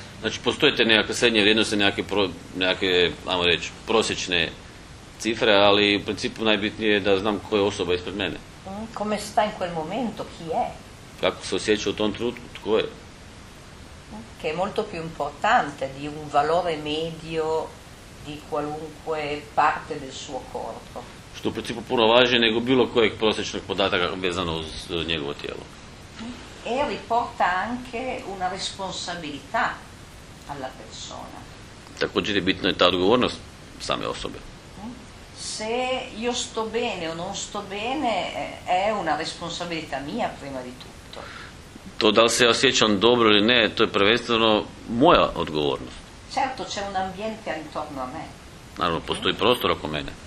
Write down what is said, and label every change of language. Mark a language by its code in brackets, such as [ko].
[hr] Znači, postoje te nekakve srednje vrijednosti, nekakve, ajmo reći, prosječne cifre, ali u principu najbitnije je da znam koja je osoba ispred mene. [it] Come sta in quel momento, chi è? [hr] Kako se osjeća u tom trenutku, tko je? [it] Che è molto più importante di un valore medio di qualunque parte del suo corpo. [hr] Što u principu puno važnije nego bilo kojeg prosječnog podataka vezano uz njegovo tijelo. [it] E riporta anche una responsabilità alla persona. [hr] Također je bitna i ta odgovornost same osobe. [it] Se io sto bene o non sto bene è una responsabilità mia prima di tutto. [hr] To da li se ja osjećam dobro ili ne, to je prvenstveno moja odgovornost. [it] Certo, c'è un ambiente intorno a me. [hr] Naravno, postoji prostor oko mene.